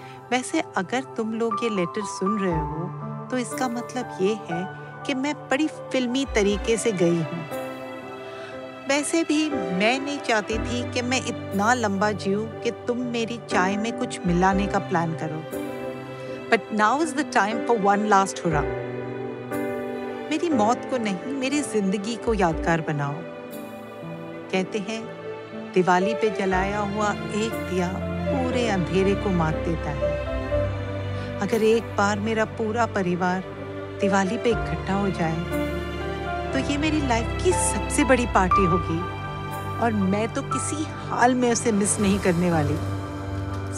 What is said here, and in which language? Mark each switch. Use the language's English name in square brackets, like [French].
[Hindi] वैसे अगर तुम लोग ये लेटर सुन रहे हो तो इसका मतलब ये है कि मैं बड़ी फिल्मी तरीके से गई हूँ। वैसे भी मैं नहीं चाहती थी कि मैं इतना लंबा जीऊं कि तुम मेरी चाय में कुछ मिलाने का प्लान करो। [English] But now is the time for one last hurrah. [Hindi] मेरी मौत को नहीं, मेरी जिंदगी को यादगार बनाओ। कहते हैं दिवाली पे जलाया हुआ एक दिया पूरे अंधेरे को मात देता है। अगर एक बार मेरा पूरा परिवार दिवाली पे इकट्ठा हो जाए तो ये मेरी लाइफ की सबसे बड़ी पार्टी होगी और मैं तो किसी हाल में उसे मिस नहीं करने वाली।